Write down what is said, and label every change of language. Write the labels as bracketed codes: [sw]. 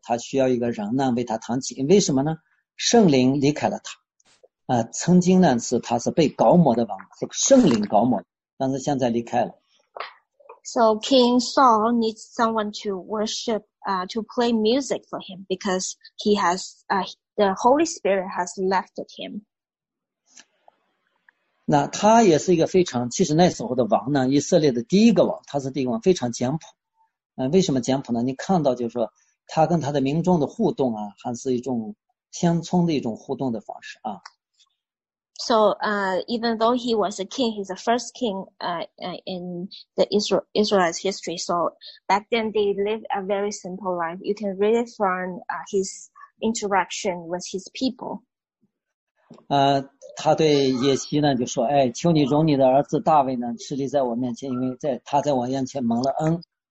[zh] 他需要一个人呢为他弹琴，为什么呢？圣灵离开了他，曾经呢是他是被搞魔的王，是圣灵搞魔，但是现在离开了。 [en] So King Saul needs someone to worship, to play music for him because he has, the Holy Spirit has left him. [zh] 那他也是一个非常，其实那时候的王呢，以色列的第一个王，他是第一个王，非常简朴。为什么简朴呢？你看到就是说他跟他的民众的互动啊，还是一种乡村的一种互动的方式啊。 [en] So, even though he was a king, he's the first king, in the Israelite history. So back then they lived a very simple life. You can read it from, his interaction with his people. [zh] 他对耶西呢就说，哎，求你容你的儿子大卫呢治理在我面前，因为在他在我眼前蒙了恩。